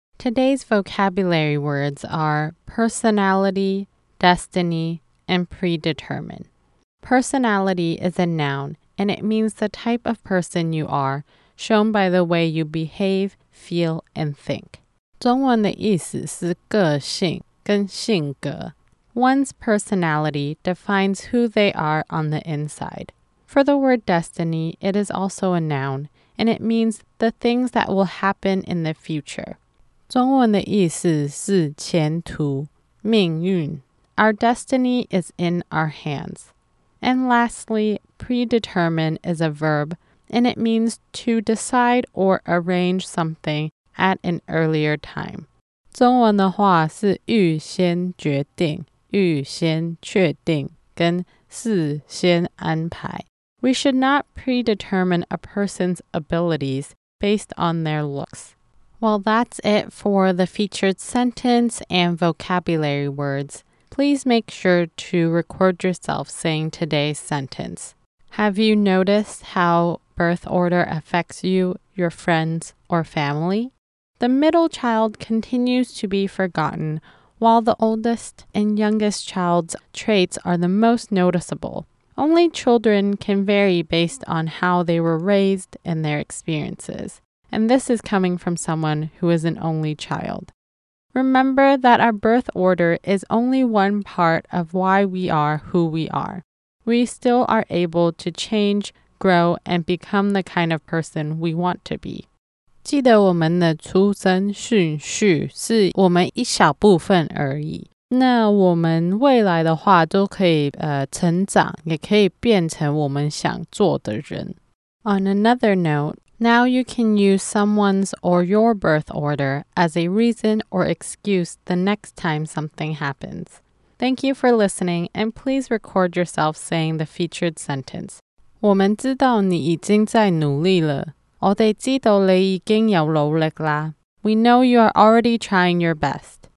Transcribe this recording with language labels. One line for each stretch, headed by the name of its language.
English: Today's vocabulary words are personality, destiny, and predetermined. Personality is a noun. And it means the type of person you are, shown by the way you behave, feel, and think.
Chinese: 中文的意思是个性跟性格。
English: One's personality defines who they are on the inside. For the word destiny, it is also a noun, and it means the things that will happen in the future.
Chinese: 中文的意思是前途、命运。
English: Our destiny is in our hands. And lastly, predetermine is a verb, and it means to decide or arrange something at an earlier time.
Chinese: 中文的话是预先决定、预先确定跟事先安排。
English: We should not predetermine a person's abilities based on their looks. Well, that's it for the featured sentence and vocabulary words. Please make sure to record yourself saying today's sentence. Have you noticed how birth order affects you, your friends, or family? The middle child continues to be forgotten, while the oldest and youngest child's traits are the most noticeable. Only children can vary based on how they were raised and their experiences. And this is coming from someone who is an only child. Remember that our birth order is only one part of why we are who we are. We still are able to change, grow, and become the kind of person we want to be.
Chinese: 记得我们的出生顺序是我们一小部分而已。那我们未来的话都可以成长，也可以变成我们想做的人。
English: On another note, now you can use someone's or your birth order as a reason or excuse the next time something happens. Thank you for listening, and please record yourself saying the featured sentence.
Chinese: 我们知道你已经在努力了。我们知道你已经有努力了。
English: We know you are already trying your best.